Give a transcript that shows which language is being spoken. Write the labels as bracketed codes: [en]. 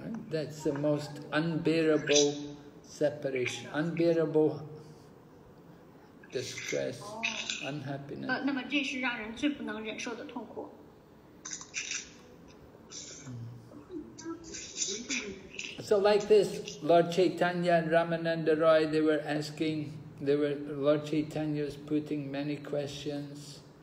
[en] That's the most unbearable separation, unbearable distress, unhappiness. [zh] 那么这是让人最不能忍受的痛苦。 [en] So like this, Lord Chaitanya and Ramananda Roy, Lord Chaitanya was putting many questions.